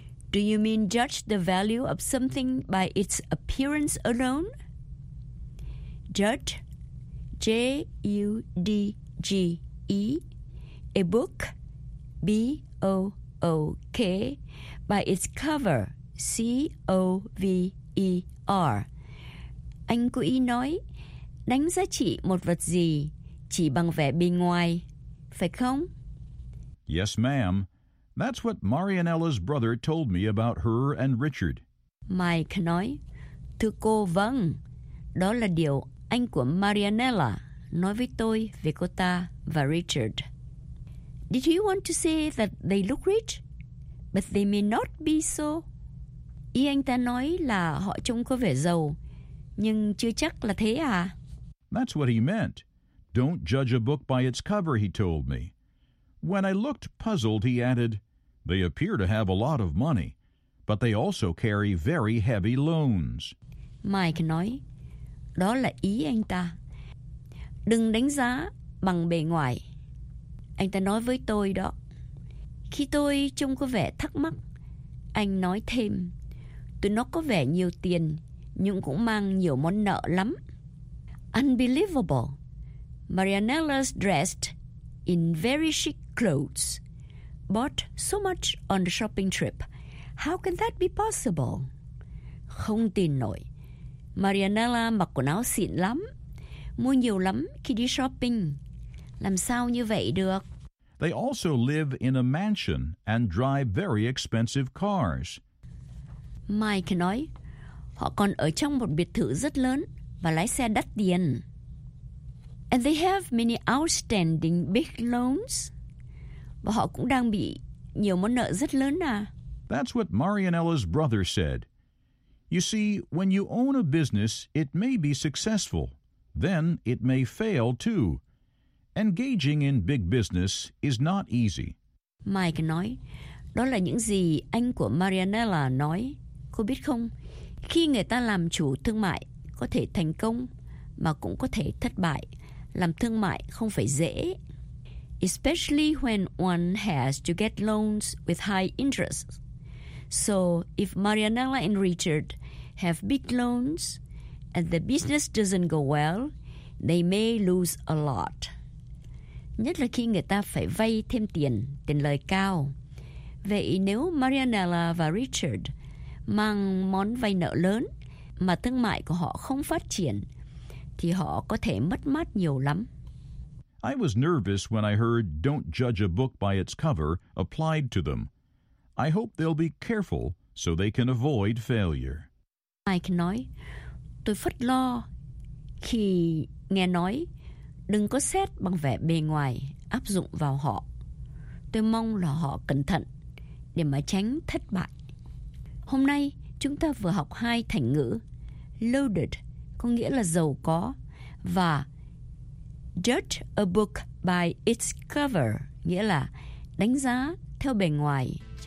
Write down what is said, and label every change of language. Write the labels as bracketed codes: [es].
[en] Do you mean judge the value of something by its appearance alone? Judge, J-U-D-G-E, a book, B-O-O-K, by its cover, C-O-V-E-R. [vi] Anh cố ý nói, đánh giá trị một vật gì chỉ bằng vẻ bề ngoài, phải không? [en] Yes, ma'am. That's what Marianella's brother told me about her and Richard. [vi] Mike nói, thưa cô, vâng, đó là điều anh của Marianella nói với tôi về cô ta và Richard. [en] Did he want to say that they look rich? But they may not be so. [vi] Ý anh ta nói là họ trông có vẻ giàu, nhưng chưa chắc là thế à? [en] That's what he meant. Don't judge a book by its cover, he told me. When I looked puzzled, he added, they appear to have a lot of money, but they also carry very heavy loans. [vi] Mike nói, đó là ý anh ta. Đừng đánh giá bằng bề ngoài. Anh ta nói với tôi đó. Khi tôi trông có vẻ thắc mắc, anh nói thêm, tụi nó có vẻ nhiều tiền, nhưng cũng mang nhiều món nợ lắm. [en] Unbelievable. Marianella's dressed in very chic clothes, bought so much on the shopping trip. How can that be possible? [vi] Không tin nổi. Marianella mặc quần áo xịn lắm, mua nhiều lắm khi đi shopping. Làm sao như vậy được? [en] They also live in a mansion and drive very expensive cars. [vi] Mike nói, họ còn ở trong một biệt thự rất lớn và lái xe đắt tiền. [en] And they have many outstanding big loans. [vi] Và họ cũng đang bị nhiều món nợ rất lớn à. [en] That's what Marianella's brother said. You see, when you own a business, it may be successful. Then it may fail too. Engaging in big business is not easy. [vi] Mike nói, đó là những gì anh của Marianella nói. Cô biết không, khi người ta làm chủ thương mại, có thể thành công mà cũng có thể thất bại. Làm thương mại không phải dễ. [en] Especially when one has to get loans with high interest. So if Marianella and Richard have big loans and the business doesn't go well, they may lose a lot. [vi] Nhất là khi người ta phải vay thêm tiền, tiền lời cao. Vậy nếu Marianella và Richard mang món vay nợ lớn mà thương mại của họ không phát triển, thì họ có thể mất mát nhiều lắm. [en] I was nervous when I heard don't judge a book by its cover applied to them. I hope they'll be careful so they can avoid failure. [vi] Mike nói, tôi phất lo khi nghe nói đừng có xét bằng vẻ bề ngoài áp dụng vào họ. Tôi mong là họ cẩn thận để mà tránh thất bại. Hôm nay chúng ta vừa học hai thành ngữ loaded có nghĩa là giàu có và [en] judge a book by its cover [vi] nghĩa là đánh giá theo bề ngoài.